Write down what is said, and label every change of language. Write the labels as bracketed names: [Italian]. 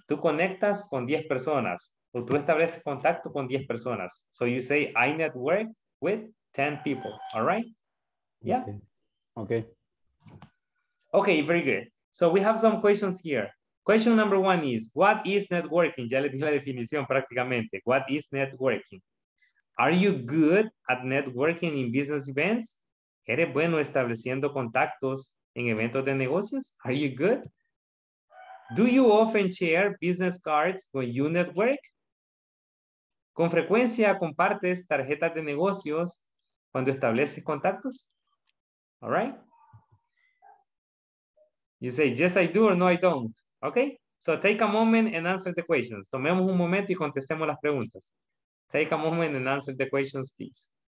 [Spanish] Tú conectas con 10 personas o tú estableces contacto con 10 personas. [English] So you say, I network with 10 people, all right? Yeah. Okay. Okay, very good. So we have some questions here. Question number one is, what is networking? [Spanish] Ya les dije la definición prácticamente. [English] What is networking? Are you good at networking in business events? [Spanish] ¿Eres bueno estableciendo contactos en eventos de negocios? [English] Are you good? Do you often share business cards when you network? [Spanish] ¿Con frecuencia compartes tarjetas de negocios cuando estableces contactos? [English] All right. You say, yes, I do or no, I don't. Okay. So take a moment and answer the questions. [Spanish] Tomemos un momento y contestemos las preguntas. [English] Take a moment and answer the questions, please.